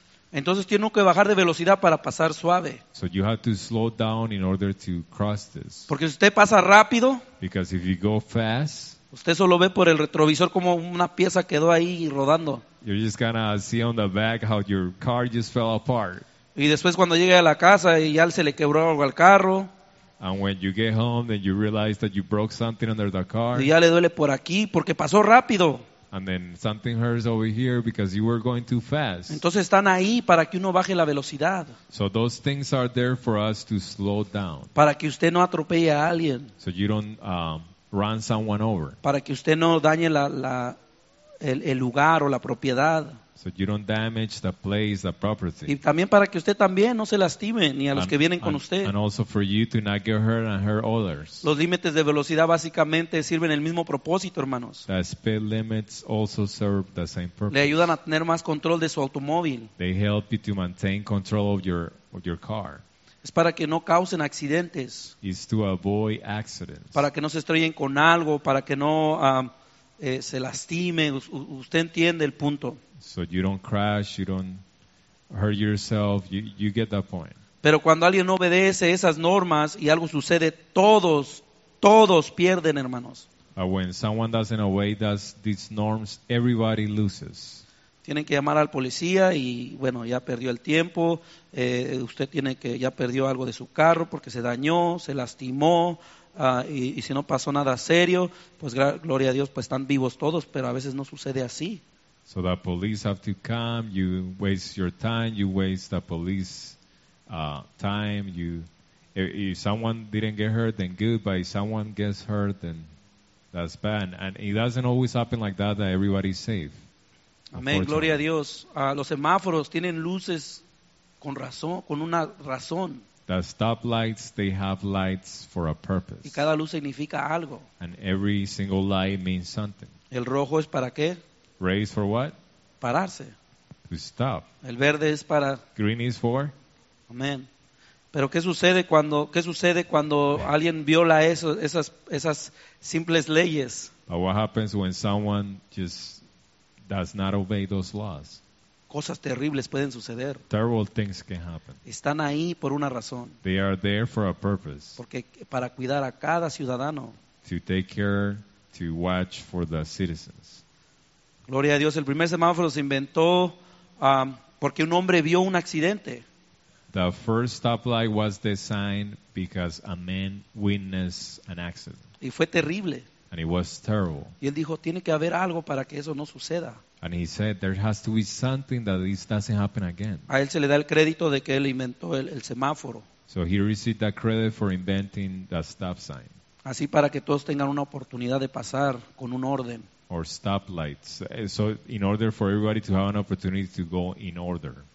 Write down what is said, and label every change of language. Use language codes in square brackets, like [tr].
[es] Entonces tiene que bajar de velocidad para pasar suave. [en] So you have to slow down in order to cross this. [es] Porque si usted pasa rápido, [en] because if you go fast, [es] usted solo ve por el retrovisor como una pieza quedó ahí rodando. [en] You're just gonna see on the back how your car just fell apart. [es] Y después cuando llegue a la casa y ya se le quebró algo al carro. [en] And when you get home, then you realize that you broke something under the car. [es] Y ya le duele por aquí porque pasó rápido. [en] And then something hurts over here because you were going too fast. [es] Entonces están ahí para que uno baje la velocidad. [en] So those things are there for us to slow down. [es] Para que usted no atropelle a alguien. [en] So you don't run someone over. [es] Para que usted no dañe el lugar o la propiedad. [en] So you don't damage the place, the property. [es] Y también para que usted también no se lastime ni a los que vienen con usted. [en] And also for you to not get hurt and hurt others. [es] Los límites de velocidad básicamente sirven el mismo propósito, hermanos. [en] The speed limits also serve the same purpose. [es] Le ayudan a tener más control de su automóvil. [en] They help you to maintain control of your car. [es] Es para que no causen accidentes. [en] It's to avoid accidents. [es] Para que no se estrellen con algo, para que no se lastime. Usted entiende el punto. [en] So you don't crash, you don't hurt yourself, you get that point. [es] Pero cuando alguien no obedece esas normas y algo sucede, todos pierden, hermanos. [en] When someone doesn't obey these norms, everybody loses. [es] Tienen que llamar al policía y bueno, ya perdió el tiempo. Usted tiene que, ya perdió algo de su carro porque se dañó, se lastimó. Y si no pasó nada serio, pues gloria a Dios, pues están vivos todos, pero a veces no sucede así. [en] So the police have to come, you waste your time, you waste the police time. If someone didn't get hurt, then good, but if someone gets hurt, then that's bad. And it doesn't always happen like that everybody's safe. [es] Amén, gloria a Dios. Los semáforos tienen luces con razón, con una razón. [en] The stoplights, they have lights for a purpose. [es] Y cada luz significa algo. [en] And every single light means something. [es] ¿El rojo es para qué? [en] Raise for what? [es] Pararse. [en] To stop. [es] El verde es para. [en] Green is for. [es] Amén. Pero ¿qué sucede cuando yeah. alguien viola esas simples leyes? [en] But what happens when someone just does not obey those laws? [es] Cosas terribles pueden suceder. [en] Terrible things can happen. [es] Están ahí por una razón. [en] They are there for a purpose. [es] Porque para cuidar a cada ciudadano. [en] To take care, to watch for the citizens. [es] Gloria a Dios, el primer semáforo se inventó porque un hombre vio un accidente. [en] The first stoplight was designed because a man witnessed an accident. [es] Y fue terrible. [en] And it was terrible. [es] Y él dijo, tiene que haber algo para que eso no suceda. [en] And he said, there has to be something that this doesn't happen again. [es] A él se le da el crédito de que él inventó el semáforo. [en] So he received that credit for inventing the stop sign. [es] Así para que todos tengan una oportunidad de pasar con un orden. [en] Or stoplights. So in order for everybody to have an opportunity to go in order.